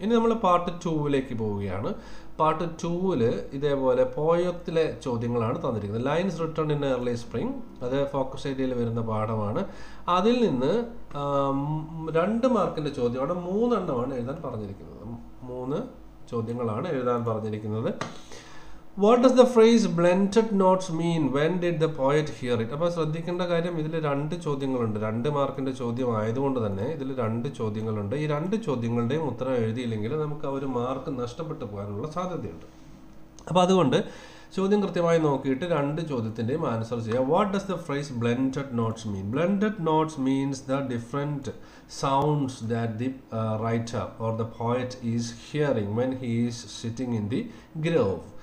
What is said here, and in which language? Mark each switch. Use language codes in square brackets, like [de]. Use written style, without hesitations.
[ml] ഇനി നമ്മൾ പാർട്ട് 2 പോവുകയാണ്. പാർട്ട് 2 ഇതേപോലെ പോയത്തിലെ ചോദ്യങ്ങളാണ് തന്നിരിക്കുന്നത്. Lines written in early spring, അത് ഫോക്കസ് ഏരിയയിൽ വരുന്ന പാഠമാണ്. അതിൽ നിന്ന് 2 ചോദ്യമാണ്, 3 എഴുതാൻ പറഞ്ഞിരിക്കുന്നത്. 3 എഴുതാൻ പറഞ്ഞിരിക്കുന്നത്. [en] What does the phrase blunted notes mean? When did the poet hear it? [ml] അപ്പോൾ ശ്രദ്ധിക്കേണ്ട കാര്യം ഇതിൽ 2 രണ്ട് മാർക്കിൻ്റെ ചോദ്യം ആയതുകൊണ്ട് തന്നെ ഇതിൽ 2 ഈ 2 ഉത്തരം എഴുതിയില്ലെങ്കിൽ നമുക്ക് ആ ഒരു മാർക്ക് നഷ്ടപ്പെട്ടു പോകാനുള്ള സാധ്യതയുണ്ട്. അപ്പോൾ അതുകൊണ്ട് ചോദ്യം കൃത്യമായി നോക്കിയിട്ട് 2 ആൻസർ ചെയ്യുക. [en] What does the phrase blended notes mean? Blended notes means the different sounds that the writer or the poet is hearing when he is sitting in the grove.